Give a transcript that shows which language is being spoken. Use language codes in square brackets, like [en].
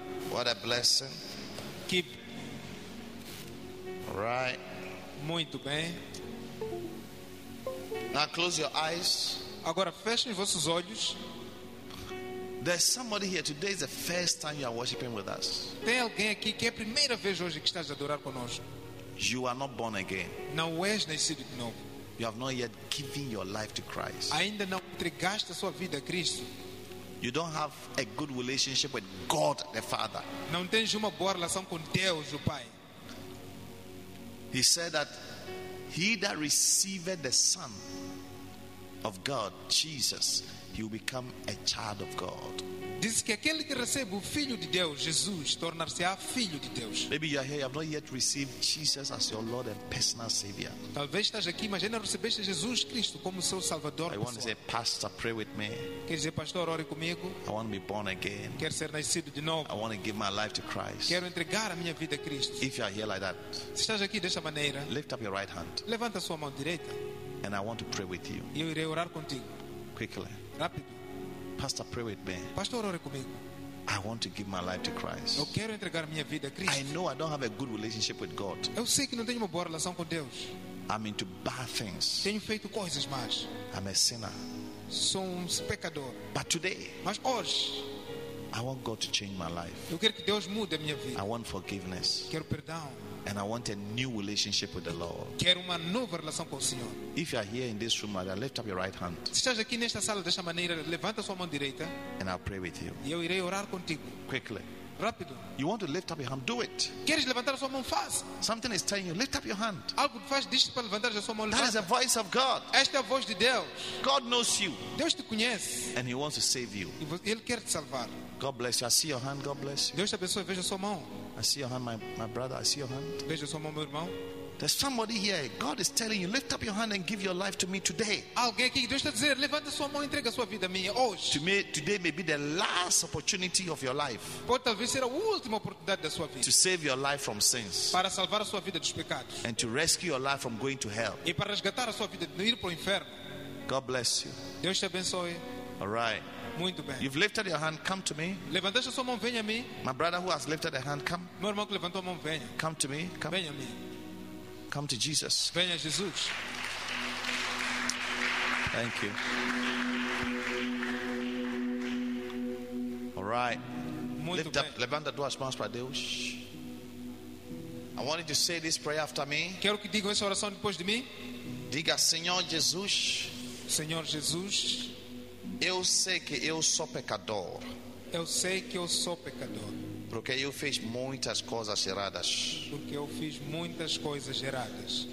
[en] What a blessing. Keep. Right. [pt] Muito bem. [en] Now close your eyes. [pt] Agora fechem vossos olhos. [en] There's somebody here today is the first time you are worshiping with us. [pt] Tem alguém aqui que é a primeira vez hoje que estás a adorar conosco. [en] You are not born again. [pt] Não és nascido de novo. [en] You have not yet given your life to Christ. [pt] Ainda não entregaste a sua vida a Cristo. [en] You don't have a good relationship with God the Father. [pt] Não tens uma boa relação com Deus o Pai. [en] He said that he that receiveth the Son of God, Jesus, he will become a child of God. [pt] Diz que aquele que recebe o filho de Deus, Jesus, tornar-se-á filho de Deus. [en] Maybe you are here, you have not yet received Jesus as your Lord and personal Savior. [pt] Talvez estás aqui, mas ainda não recebeste Jesus Cristo como seu Salvador. [en] I want to say, Pastor, pray with me. [pt] Quer dizer, pastor, ore comigo. [en] I want to be born again. [pt] Quero ser nascido de novo. [en] I want to give my life to Christ. [pt] Quero entregar a minha vida a Cristo. [en] If you are here like that, [pt] se estás aqui dessa maneira, [en] lift up your right hand. [pt] Levanta sua mão direita. [en] And I want to pray with you. [pt] Eu irei orar contigo. [en] Quickly. [pt] Rápido. [en] Pastor, pray with me. [pt] Pastor, ore comigo. [en] I want to give my life to Christ. [pt] Eu quero entregar minha vida a Cristo. [en] I know I don't have a good relationship with God. [pt] Eu sei que não tenho uma boa relação com Deus. [en] I'm into bad things. [pt] Tenho feito coisas más. [en] I'm a sinner. [pt] Sou pecador. [en] But today, [pt] mas hoje, [en] I want God to change my life. [pt] Eu quero que Deus mude a minha vida. [en] I want forgiveness. [pt] Quero perdão. [en] And I want a new relationship with the Lord. [pt] Quero uma nova relação com o Senhor. [en] If you are here in this room, lift up your right hand. [pt] Se estás aqui nesta sala desta maneira, levanta sua mão direita. [en] And I'll pray with you. [pt] E eu irei orar contigo. [en] Quickly. [pt] Rápido. [en] You want to lift up your hand? Do it. [pt] Queres levantar a sua mão? Faz. [en] Something is telling you, lift up your hand. [pt] Algo faz, diz-te para levantar a sua mão. [en] That is the voice of God. [pt] Esta é a voz de Deus. [en] God knows you. [pt] Deus te conhece. [en] And He wants to save you. [pt] Ele quer te salvar. [en] God bless you. I see your hand. God bless you. [pt] Deus te abençoe. Veja a sua mão. [en] I see your hand, my brother. I see your hand. [pt] Veja a sua mão, meu irmão. [en] There's somebody here. God is telling you, lift up your hand and give your life to me today. [pt] Alguém aqui, Deus está a dizer, levanta sua mão e entrega sua vida a mim hoje. [en] Today may be the last opportunity of your life. [pt] Pode talvez ser a última oportunidade da sua vida. [en] To save your life from sins. [pt] Para salvar a sua vida dos pecados. [en] And to rescue your life from going to hell. [pt] E para resgatar a sua vida de ir para o inferno. [en] God bless you. [pt] Deus te abençoe. [en] All right. [pt] Muito bem. [en] You've lifted your hand, come to me. [pt] Levantaste sua mão, venha a mim. [en] My brother who has lifted a hand, come. [pt] Meu irmão que levantou a mão, venha. [en] Come to me. Come. [pt] Venha a mim. [en] Come to Jesus. [pt] Venha Jesus. [en] Thank you. All right. [pt] Muito [en] lift [pt] bem. [en] Up. [pt] Levanta duas mãos para Deus. [en] I want you to say this prayer after me. [pt] Quero que diga essa oração depois de mim. Diga, Senhor Jesus. Senhor Jesus. Eu sei que eu sou pecador. Eu sei que eu sou pecador. Porque eu fiz muitas coisas erradas. Porque eu fiz muitas coisas erradas.